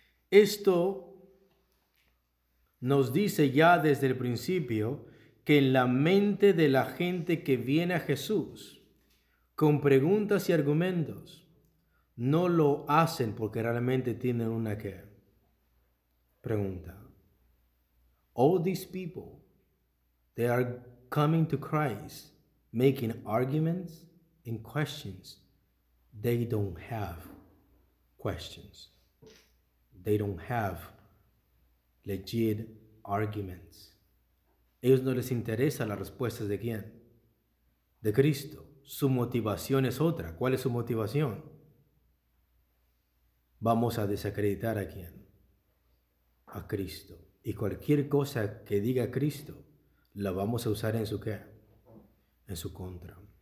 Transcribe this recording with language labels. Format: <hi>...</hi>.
<es>Esto nos dice ya desde el principio que en la mente de la gente que viene a Jesús con preguntas y argumentos, no lo hacen porque realmente tienen una ¿qué? Pregunta.</es> <en>All these people, they are coming to Christ making arguments and questions. They don't have questions. They don't have legit arguments.</en> <es>Ellos no les interesa las respuestas ¿de quién? De Cristo. Su motivación es otra. ¿Cuál es su motivación? Vamos a desacreditar ¿a quién? A Cristo. Y cualquier cosa que diga Cristo, la vamos a usar en su ¿qué? En su contra.</es>